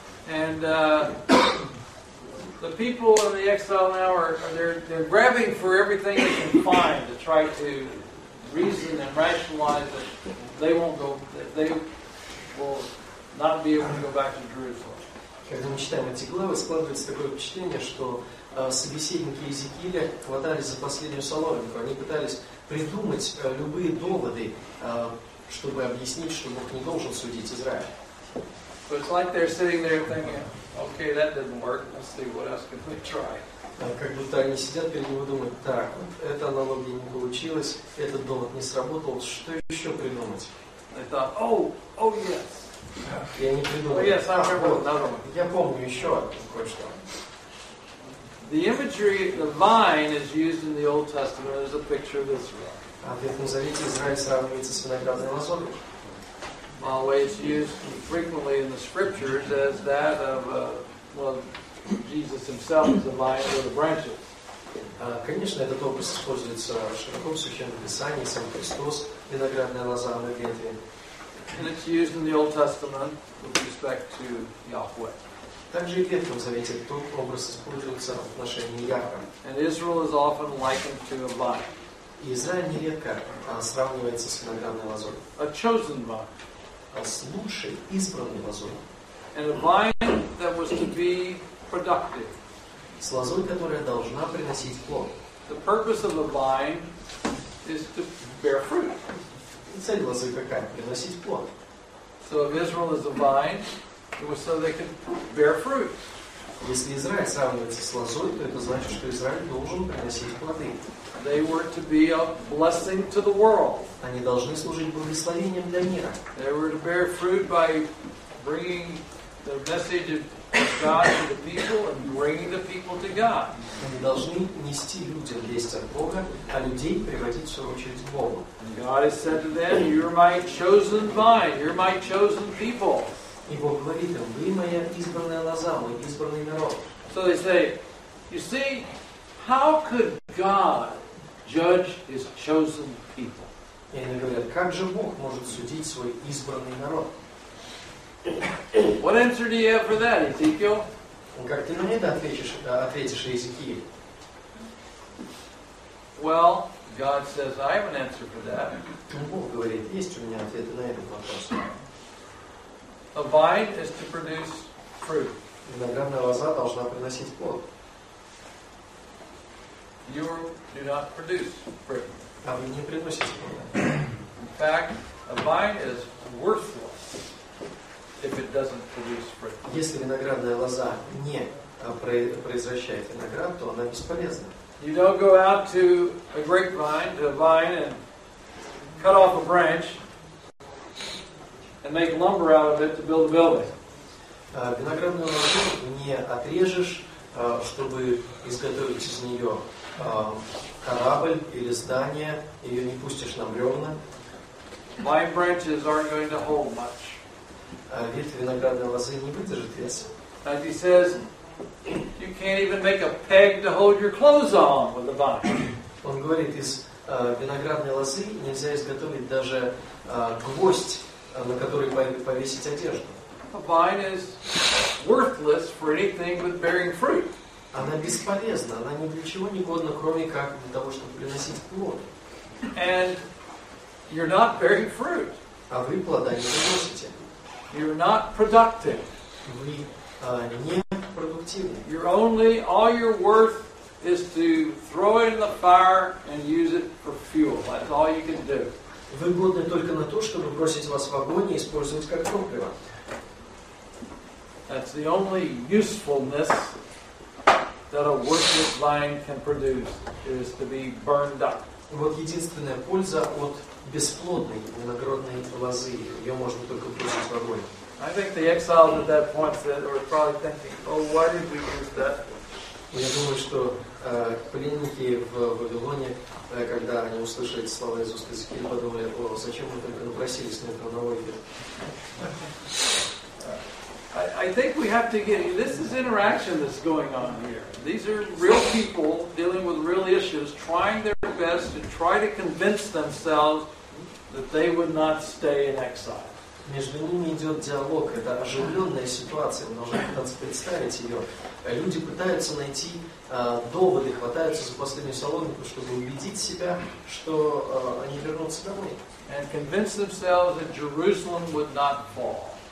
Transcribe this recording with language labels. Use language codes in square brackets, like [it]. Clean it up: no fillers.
[en] And the people in the exile now are grabbing for everything they can find to try to reason and rationalize that they won't go, that they will not be able to go back to Jerusalem. [ru] Когда мы читаем эти главы, складывается такое впечатление, что собеседники Иезекииля хватались за последнюю соломинку. Они пытались придумать любые доводы, чтобы объяснить, что Бог не должен судить Израиль. [en] But it's like they're sitting there thinking, okay, that didn't work. Let's see what else can we try. [ru] Как будто они сидят перед ним и думают, так, вот эта аналогия не получилась, этот довод не сработал, что еще придумать? [en] They thought, oh, yes. [ru] И они придумали. [en] Oh, yes, I remember another one. [ru] Я помню еще кое-что. [en] The imagery of the vine is used in the Old Testament as a picture of Israel. [ru] А в Ветхом Завете Израиль сравнивается с виноградной лозой. [en] Always used frequently in the scriptures as that of Jesus himself as a vine or the branches. [ru] Конечно, этот образ используется широко в Священном Писании, сам Христос, виноградная лоза на ветви. [en] And it's used in the Old Testament with respect to Yahweh. [ru] Также и в Ветхом Завете тот образ используется в отношении Яхве. [en] And Israel is often likened to a vine. [ru] Израиль нередко сравнивается с виноградной лозой. [en] A chosen vine. [ru] С лучшей избранной лозой. [en] And a vine that was to be productive. [ru] С лозой, которая должна приносить плод. [en] The purpose of a vine is to bear fruit. [ru] Цель лозы какая? Приносить плод. [en] So if Israel is a vine, it was so they could bear fruit. [ru] Если Израиль сравнивается с лозой, то это значит, что Израиль должен приносить плоды. [en] They were to be a blessing to the world. [ru] Они должны служить благословением для мира. [en] They were to bear fruit by bringing the message of God to the people and bringing the people to God. [ru] Они должны нести людям весть от Бога, а людей приводить в свою очередь к Богу. [en] And God has said to them, "You're my chosen vine. You're my chosen people." [ru] И Бог говорит им, "Вы моя избранная лоза, мой избранный народ." [en] So they say, "You see, how could God judge His chosen people?" [ru] И они говорят, как же Бог может судить свой избранный народ? [en] What answer do you have for that, Ezekiel? [ru] Как ты на это ответишь, Иезекииль? [en] Well, God says, I have an answer for that. [ru] Бог говорит, есть у меня ответы на этот вопрос. [en] A vine is to produce fruit. [ru] Виноградная лоза должна приносить плод. [en] You do not produce fruit. [ru] А вы не приносите плод. [en] In fact, a vine is worthless if it doesn't produce fruit. [ru] Если виноградная лоза не произвращает виноград, то она бесполезна. [en] You don't go out to a grapevine, to a vine, and cut off a branch and make lumber out of it to build a building. [ru] Виноградную лозу не отрежешь, чтобы изготовить из нее корабль или здание, ее не пустишь на бревна. [en] Vine branches aren't going to hold much. [ru] Ветви виноградной лозы не выдержат веса. [en] As he says, you can't even make a peg to hold your clothes on with the vine. [ru] Он говорит, из виноградной лозы нельзя изготовить даже гвоздь, на который повесить одежду. [en] A vine is worthless for anything but bearing fruit. [ru] Она бесполезна, она ни для чего не годна, кроме как для того, чтобы приносить плод. [en] And you're not bearing fruit. [ru] А вы плода не приносите. [en] You're not productive. [ru] Вы не продуктивны. [en] You're only, all your worth is to throw it in the fire and use it for fuel. That's all you can do. [ru] Вы годны только на то, чтобы бросить вас в огонь и использовать как топливо. [en] That's the only usefulness that a worthless vine can produce is to be burned up. [ru] Вот единственная польза от бесплодной виноградной лозы. Ее можно только бросить в огонь. [en] I think the exiles at that point said, or probably thinking, oh, why did we use that? [ru] Я думаю, что пленники в Вавилоне, когда они услышали слова из уст Иезекииля, подумали, о, зачем мы только напросились на эту аналогию. [en] I think we have to get, this is interaction that's going on here. These are real people dealing with real issues, trying their best to try to convince themselves that they would not stay in exile. [ru] Между ними идет диалог, это оживленная ситуация, можно пытаться представить ее. Люди пытаются найти доводы, хватаются за последнюю соломинку, чтобы убедить себя, что они вернутся домой. [en] And convince themselves that Jerusalem would not fall.